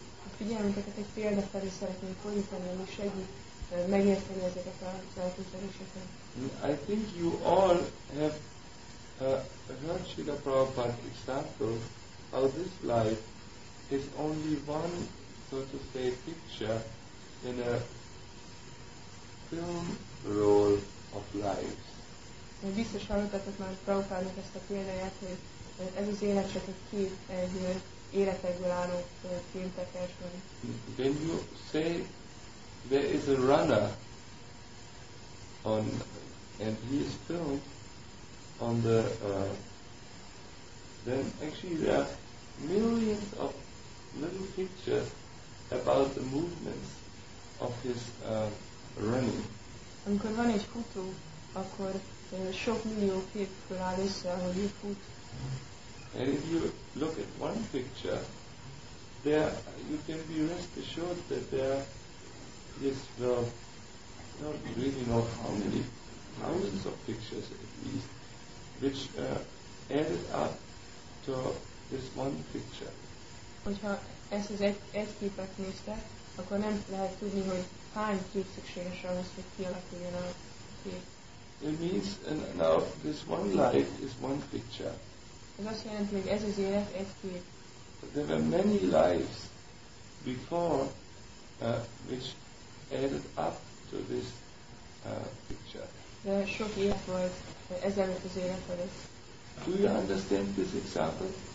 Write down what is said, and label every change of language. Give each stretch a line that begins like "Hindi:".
Hungarian: A figyelmeteket egy példa felé szeretném fordítani, ami segít megérteni ezeket a elképzeléseket.
English: I think you all have heard Srila Prabhupada's example how this life is only one, so to say, picture in a film roll of lives.
Hungarian: Biztos hallottatok már Prabhupádnak ezt a példáját, hogy ez az élet csak egy kép egy életekből álló filmtekercsből.
English: When you say there is a runner on and he is filmed on the then actually there are millions of little pictures about the movements of his running.
Hungarian: Amikor van egy futó, akkor sok millió kép áll össze, hogy ő fut.
English: And if you look at one picture, there you can be rest assured that there is, well, not really know how many thousands of pictures at least, which added up to this one picture.
Hungarian: Hogyha ezt az egy képet nézte, akkor nem lehet tudni, hogy hány kép szükséges ahhoz, hogy kialakuljon a kép.
English: It means now this one life is one picture.
Hungarian: Ez azt jelenti, hogy ez az élet egy kép.
English: There were many lives before which added up to this picture.
Hungarian: De sok élet volt ezelőtt az élet előtt.
English: Do you understand this example?